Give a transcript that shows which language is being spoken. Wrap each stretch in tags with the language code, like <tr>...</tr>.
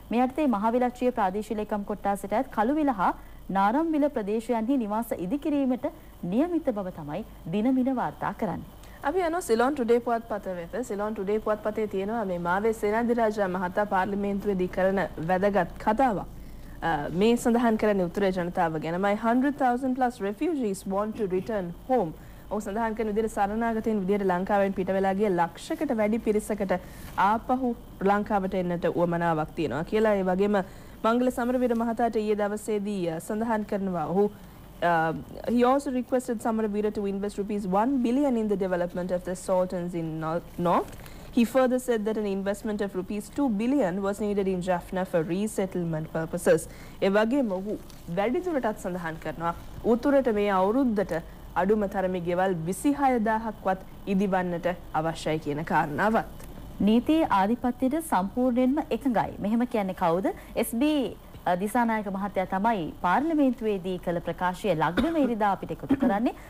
<si>මේ අර්ථයේ මහවිලච්ඡිය ප්‍රාදේශීය ලේකම් කොට්ටාසයට කළුවිල හා නාරම්විල ප්‍රදේශයන්හි නිවාස ඉදිකිරීමට නියමිත බව තමයි දිනමින වාර්තා කරන්නේ. අපි යනවා සිලොන් ටුඩේ පුවත්පත වෙත. සිලොන් ටුඩේ පුවත්පතේ තියෙනවා මේ මාවේ සේනාධිරාජ මහතා පාර්ලිමේන්තුවේදී කරන වැදගත් කතාවක්. මේ සඳහන් කරන්නේ උතුරේ ජනතාව ගැනමයි.</si> <en>100,000 plus refugees want to return home.</en> <si>ඔහු සඳහන් කරන විදිහට සරණාගතයන් විදිහට ලංකාවෙන් පිට වෙලා ගිය ලක්ෂයකට වැඩි පිරිසකට ආපහු ලංකාවට එන්නට උවමනාවක් තියෙනවා කියලා. ඒ වගේම මංගල සමරවීර මහතාට ඊයේ දවසේදී සඳහන් කරනවා ඔහු</si> <en>he also requested Samarabira to invest rupees 1 billion in the development of the sultans in north. He further said that an investment of rupees 2 billion was needed in Jaffna for resettlement purposes.</en> <si>එවගේම ඔහු වැඩිදුරටත් සඳහන් කරනවා උතුරට මේ අවුරුද්දට අඩුම තරමේ ගෙවල් 26,000ක්වත් ඉදිවන්නට අවශ්‍යයි කියන කාරණාවත්. නීති ආධිපත්‍යයට සම්පූර්ණයෙන්ම එකඟයි. මෙහෙම කියන්නේ කවුද? SB දිසානායක මහත්තයා තමයි පාර්ලිමේන්තුවේදී කළ ප්‍රකාශය ලග්නම ඉරිදා අපිට එකතු කරන්නේ.</si>